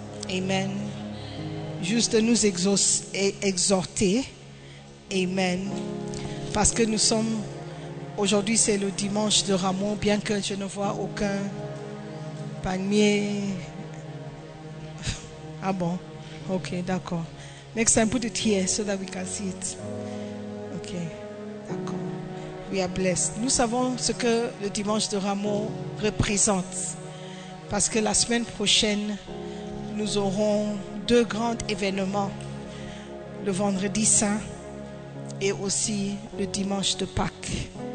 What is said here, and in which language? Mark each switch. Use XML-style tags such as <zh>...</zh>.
<fr>Amen. Juste de nous exhorter. Amen. Parce que nous sommes... Aujourd'hui, c'est le dimanche de Rameaux, bien que je ne vois aucun palmier. Ah bon? Ok, d'accord.</fr> <en>Next time, put it here so that we can see it.</en> <fr>Ok, d'accord.</fr> <en>We are blessed.</en> <fr>Nous savons ce que le dimanche de Rameaux représente. Parce que la semaine prochaine, nous aurons 2 grands événements. Le vendredi saint et aussi le dimanche de Pâques.</fr>